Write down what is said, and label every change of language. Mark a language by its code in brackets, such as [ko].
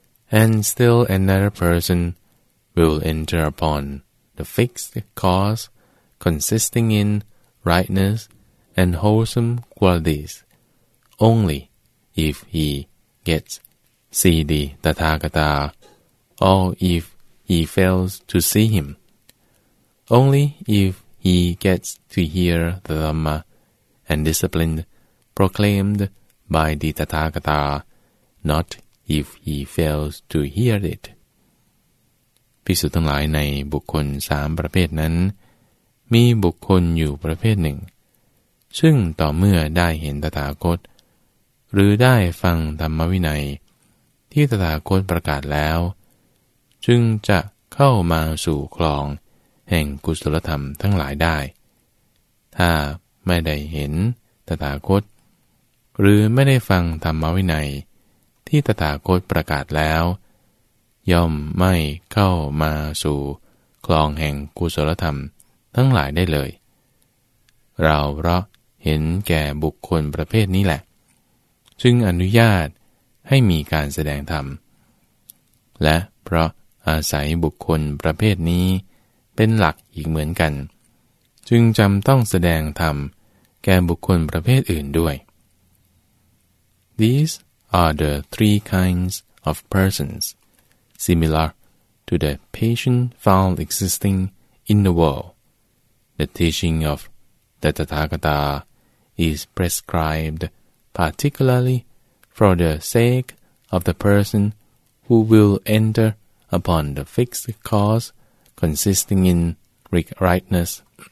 [en] And still another person will enter upon the fixed course consisting in rightness and wholesome qualities only if he gets see the Tathagata, or if he fails to see him. Only if he gets to hear the Dhamma and disciplined proclaimed by the Tathagata, not if he fails to hear it. [th] ภิกษุทั้งหลายในบุคคลสามประเภทนั้นมีบุคคลอยู่ประเภทหนึ่งซึ่งต่อเมื่อได้เห็นตถาคตหรือได้ฟังธรรมวินัยที่ตถาคตประกาศแล้วจึงจะเข้ามาสู่คลองแห่งกุศลธรรมทั้งหลายได้ ถ้าไม่ได้เห็นตถาคตหรือไม่ได้ฟังธรรมวินัยที่ตถาคตประกาศแล้วย่อมไม่เข้ามาสู่คลองแห่งกุศลธรรมทั้งหลายได้เลย เราเพราะเห็นแก่บุคคลประเภทนี้แหละจึงอนุญาตให้มีการแสดงธรรมและเพราะอาศัยบุคคลประเภทนี้เป็นหลักอีกเหมือนกันจึงจำต้องแสดงธรรมแก่บุคคลประเภทอื่นด้วย [en] These are the three kinds of persons similar to the patient found existing in the world. The teaching of the Tathagata is prescribed particularly for the sake of the person who will enter upon the fixed course consisting in rightness.